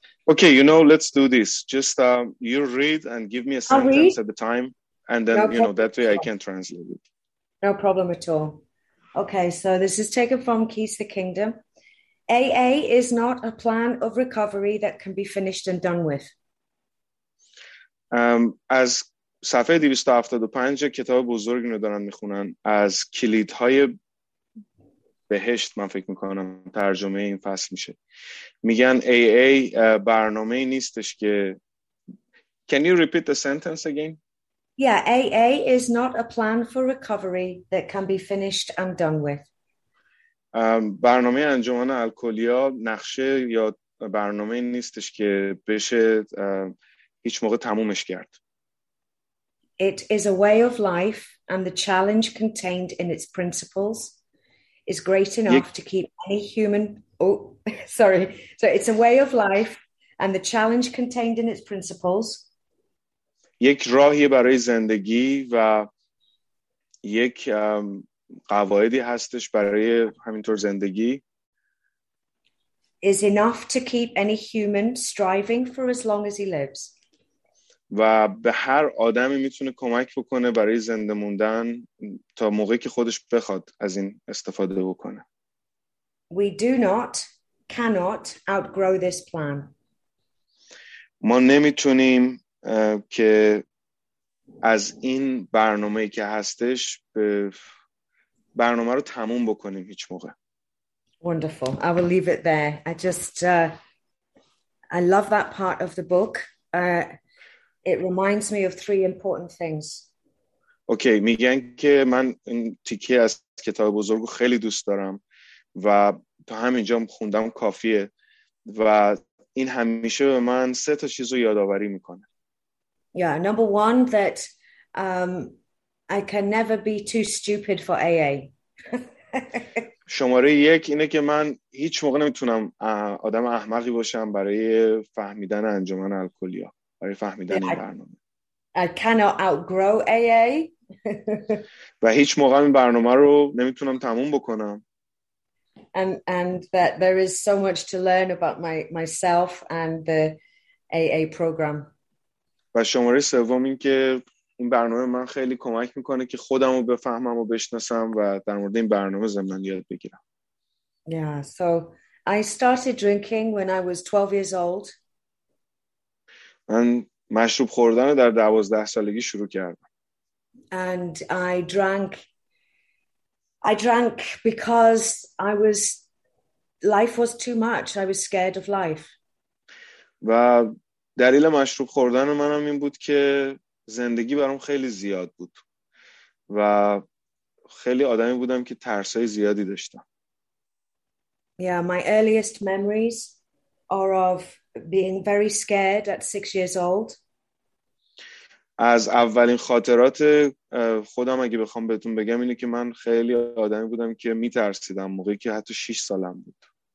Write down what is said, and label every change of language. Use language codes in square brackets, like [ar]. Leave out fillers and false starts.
[en] Okay, you know, let's do this. Just you read and give me a I'll sentence read. at the time, and then, No you know, problem that at way I all. can translate it. No problem at all. Okay, so this is taken from Keys to the Kingdom. AA is not a plan of recovery that can be finished and done with. [fa] As صفحه 275 کتاب بزرگ رو دارن میخونن از کلیدهای بهشت من فکر میکنم ترجمه این فصل میشه. میگن AA برنامه ای نیستش که [en] Can you repeat the sentence again? Yeah, AA is not a plan for recovery that can be finished and done with. [fa] برنامه انجمن الکلیا نقشه یا برنامه ای نیستش که بشه هیچ موقع تمومش کرد. [en] It is a way of life, and the challenge contained in its principles is great enough to keep any human. Oh, sorry. So it's a way of life, and the challenge contained in its principles. [fa] یک راهی برای زندگی و یک قواعدی هستش برای همینطور زندگی. [en] Is enough to keep any human striving for as long as he lives. [fa] و به هر آدمی میتونه کمک بکنه برای زنده موندن تا موقعی که خودش بخواد از این استفاده بکنه. [en] We do not, cannot outgrow this plan. [fa] ما نمیتونیم که از این برنامه‌ای که هستش به برنامه رو تموم بکنیم هیچ موقع. [en] Wonderful. I will leave it there. I love that part of the book. It reminds me of three important things. [fa] Okay, میگن که من این تیکه از کتاب بزرگو خیلی دوست دارم و تا همینجا خوندم کافیه و این همیشه به من سه تا چیزو یادآوری میکنه. [en] Yeah, number one, that I can never be too stupid for AA. [fa] شماره یک اینه که من هیچ موقع نمیتونم آدم احمقی باشم برای فهمیدن انجمن الکلیا، برای فهمیدن این برنامه. [en] I cannot outgrow AA. [fa] و هیچ موقع این برنامه رو نمیتونم تموم بکنم. [en] And that there is so much to learn about myself and the AA program. [fa] و شماره سوم این که این برنامه من خیلی کمک میکنه که خودم رو بفهمم و بشناسم و در مورد این برنامه زمان یاد بگیرم. [en] Yeah, so I started drinking when I was 12 years old. [fa] من مشروب خوردن در 12 سالگی شروع کردم. [en] And I drank because life was too much. I was scared of life. [fa] و دلیل مشروب خوردن منم این بود که زندگی برام خیلی زیاد بود و خیلی آدمی بودم که ترسای زیادی داشتم. [en] Yeah, my earliest memories are of being very scared at 6 years old. [fa] از اولین خاطرات خودم اگه بخوام بهتون بگم اینه که من خیلی آدمی بودم که میترسیدم موقعی که حتی 6 سالم بود.